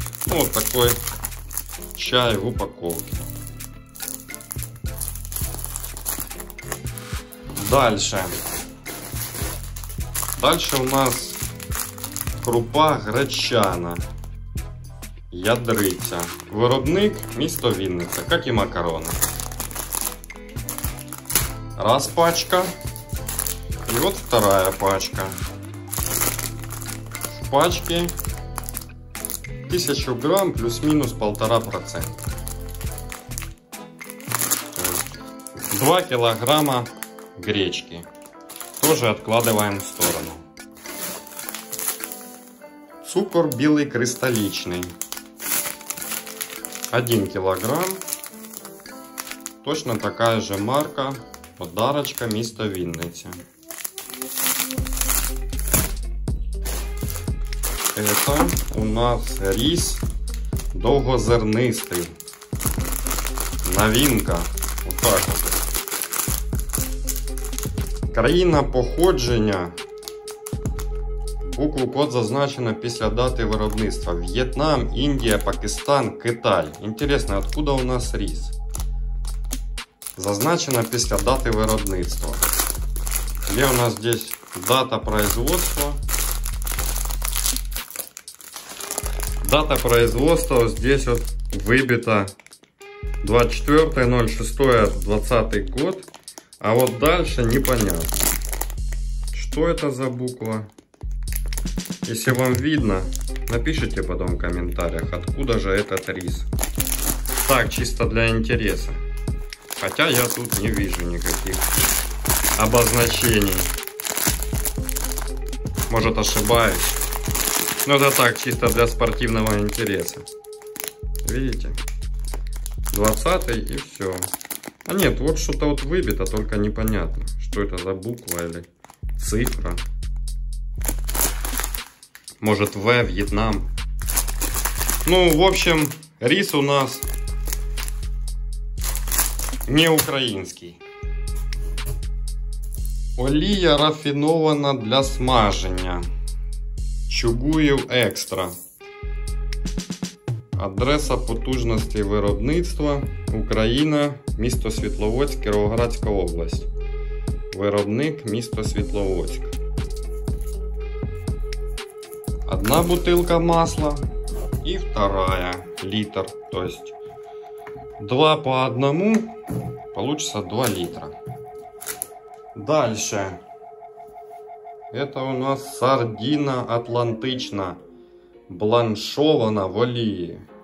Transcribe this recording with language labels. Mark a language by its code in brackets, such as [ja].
[ru] Ну, вот такой чай в упаковке. Дальше. Дальше у нас крупа гречана. [uk] Ядриця. Виробник місто Вінниця, як і макарони. [ru] Раз пачка. [uk] І от [ru] вторая пачка. [uk] В пачці 1000 грам плюс-мінус 1,5%. 2 кілограма гречки. Теж відкладаємо в сторону. Цукор білий кристалічний. [ru] 1 кг. Точно такая же марка. [uk] Подарочка місто Вінниця. [ru] Это у нас рис довгозернистий. Новинка. Вот так вот. [uk] Країна походження. Букву код зазначено після дати виробництва. В'єтнам, Індія, Пакистан, Китай. Інтересно, [ru] откуда у нас [uk] ріс? Зазначено після дати виробництва. [ru] Є у нас тут дата производства. Дата производства здесь вот вибита 24.06.20 год. А вот дальше непонятно. Что это за буква? Если вам видно, напишите потом в комментариях, откуда же этот рис. Так, чисто для интереса. Хотя я тут не вижу никаких обозначений. Может, ошибаюсь. Но это так, чисто для спортивного интереса. Видите? 20-й и все. А нет, вот что-то вот выбито, только непонятно, что это за буква или цифра. Может, В, Вьетнам. Ну, в общем, рис у нас не украинский. [uk] Олія рафінована для смаження. Чугуїв екстра. Адреса потужності виробництва. Україна, місто Світловодськ, Кіровоградська область. Виробник, місто Світловодськ. [ru] Одна бутылка масла и вторая, литр. То есть два по одному, получится 2 литра. Дальше. Это у нас [uk] сардина атлантична, бланшована в олії.